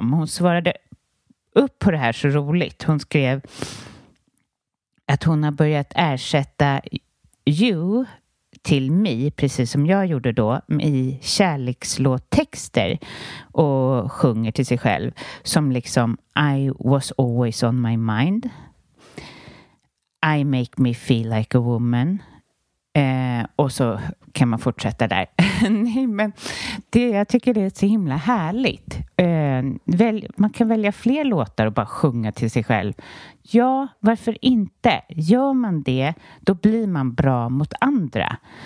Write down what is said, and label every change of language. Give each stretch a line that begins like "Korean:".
Swedish: Men hon svarade upp på det här så roligt. Hon skrev att hon har börjat ersätta you till me, precis som jag gjorde då, i kärlekslåttexter och sjunger till sig själv. Som liksom,
English: I was always on my mind. I make me feel like a woman.
Swedish: Och så kan man fortsätta där. Nej, men jag tycker det är så himla härligt. Man kan välja fler låtar och bara sjunga till sig själv. Ja, varför inte? Gör man det, då blir man bra mot andra.